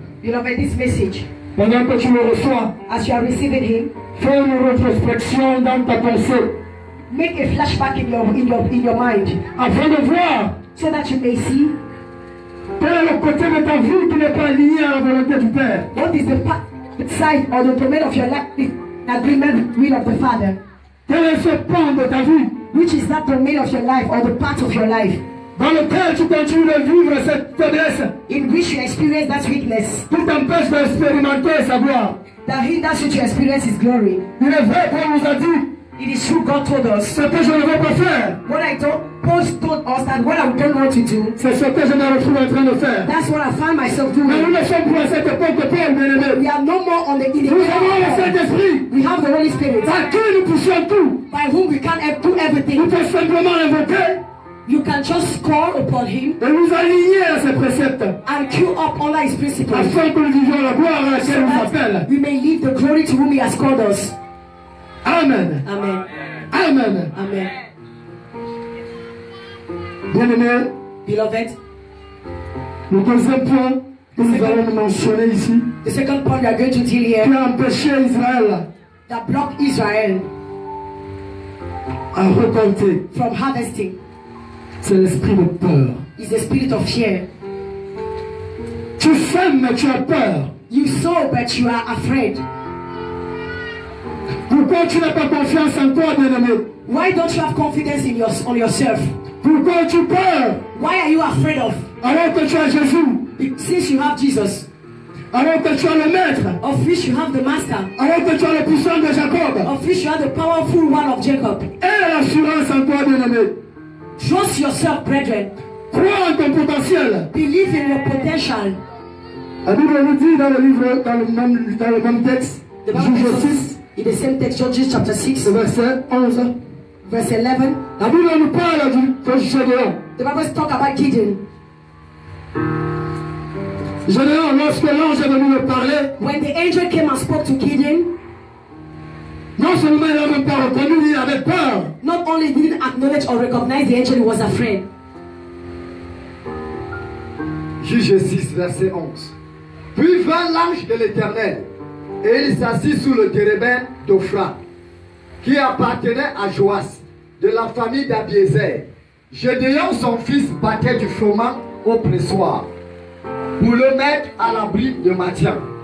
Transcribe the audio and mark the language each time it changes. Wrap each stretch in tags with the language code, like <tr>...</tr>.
<en>Beloved, this message.</en> <fr>Pendant que tu le reçois,</fr> <en>as you are receiving him,</en> <fr>fais une rétrospection dans ta pensée.</fr> <en>Make a flashback in your mind.</en> <fr>Afin de voir.</fr> <en>So that you may see.</en> <fr>Quel est le côté de ta vie qui n'est pas lié à la volonté du Père?</fr> <en>What is the part, side or the domain of your life in agreement with the will of the Father?</en> <fr>Quel est ce point de ta vie?</fr> <en>Which is that domain of your life or the part of your life?</en> <fr>Dans lequel tu continues de vivre cette faiblesse.</fr> <en>In which you experience that weakness.</en> <fr>Tout t'empêche d'expérimenter sa gloire.</fr> <en>That hinders you to experience his glory.</en> <fr>Il est vrai qu'on nous a dit.</fr> <en>It is true God told us.</en> <fr>Ce que je ne veux pas faire.</fr> <en>What I told, Paul told us that what I'm going on to do.</en> <fr>C'est ce que je me retrouve en train de faire.</fr> <en>That's what I find myself doing.</en> <fr>Mais nous ne sommes plus à cette époque de Paul, bien-aimé.</fr> <en>We are no more on the</en> <fr>inequality. Nous avons le Saint-Esprit.</fr> <en>We have the Holy Spirit.</en> <fr>Par qui nous poussons tout.</fr> <en>By whom we can do everything.</en> <fr>Nous pouvons simplement l'invoquer.</fr> <en>You can just call upon him</en> <fr>et nous aligner à ses préceptes</fr> <en>and queue up all his principles</en> <fr>afin que nous vivions la gloire à laquelle il nous appelle.</fr> <en>We may live the glory to whom he has called us.</en> <fr>Amen.</fr> <en>Amen.</en> <fr>Amen.</fr> <en>Amen.</en> <fr>Bien-aimé,</fr> <en>beloved,</en> <fr>le deuxième point que nous allons mentionner ici,</fr> <en>the second point we are going to deal here,</en> <fr>qui a empêché Israël,</fr> <en>that blocked Israel,</en> <fr>à récolter,</fr> <en>from harvesting.</en> <fr>C'est l'esprit de peur.</fr> <en>It's the spirit of fear.</en> <fr>Tu sèmes mais tu as peur.</fr> <en>You sow but you are afraid.</en> <fr>Pourquoi tu n'as pas confiance en toi, bien-aimé?</fr> <en>Why don't you have confidence in on yourself?</en> <fr>Pourquoi tu peur?</fr> <en>Why are you afraid of?</en> <fr>Alors que tu as Jésus.</fr> <en>Since you have Jesus.</en> <fr>Alors que tu as le maître.</fr> <en>Of which you have the master.</en> <fr>Alors que tu as le puissant de Jacob.</fr> <en>Of which you are the powerful one of Jacob.</en> <fr>Et l'assurance en toi, bien-aimé.</fr> <en>Trust yourself, brethren.</en> <fr>Crois en ton potentiel.</fr> <en>Believe in your potential.</en> <fr>La Bible nous dit dans le livre, dans le même texte, Juges 6,</fr> <en>in the same text, Judges chapter 6,</en> <fr>verset 11,</fr> <en>verse 11.</en> <fr>La Bible nous parle du Gédéon.</fr> <en>The Bible talk about Gideon.</en> <fr>Gédéon, lorsque l'ange est venu me parler,</fr> <en>when the angel came and spoke to Gideon,</en> <fr>non seulement il n'a même pas reconnu, il avait peur.</fr> <en>Not only didn't acknowledge or recognize the angel, he was afraid.</en> <fr>Juges 6, verset 11. Puis vint l'ange de l'Éternel, et il s'assit sous le térébin d'Ophra, qui appartenait à Joas, de la famille d'Abiézer. Gédéon, son fils, battait du froment au pressoir, pour le mettre à l'abri de Madian.</fr>